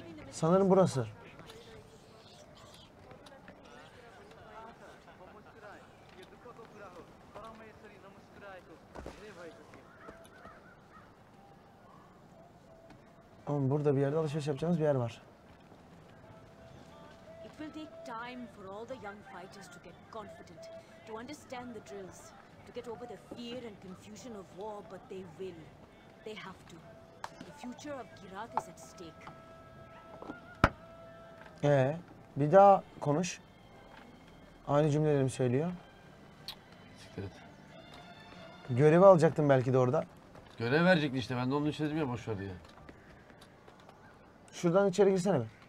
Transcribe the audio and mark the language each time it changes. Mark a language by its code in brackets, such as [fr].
[tr] Sanırım burası. Oğlum burada bir yerde alışveriş yapacağımız bir yer var. [en] It will take time for all the young fighters to get confident, to understand the drills, to get over the fear and confusion of war, but they will. They have to. The future of Girak is at stake. [tr] Bir daha konuş. Aynı cümlelerimi söylüyor. Siktir et. Görevi alacaktın belki de orada. Görev verecekti işte, ben de onun için dedim ya boşver diye. Şuradan içeri girsene bir.